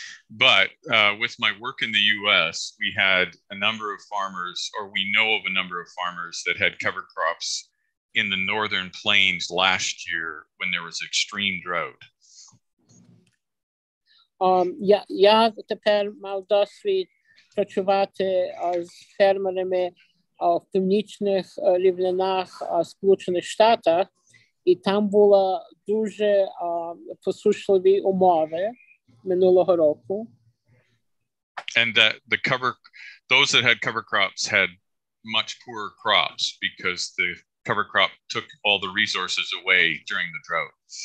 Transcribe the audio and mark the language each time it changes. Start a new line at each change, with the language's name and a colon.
English: But with my work in the US, we had a number of farmers, or we know of a number of farmers that had cover crops in the northern plains last year when there was extreme drought.
Ukrainian: Я тепер мав досвід працювати з фермерами в північних рівнинах Сполучених Штатах, і там були дуже посушливі умови минулого року.
English: And that those that had cover crops had much poorer crops because the cover crop took all the resources away during the drought.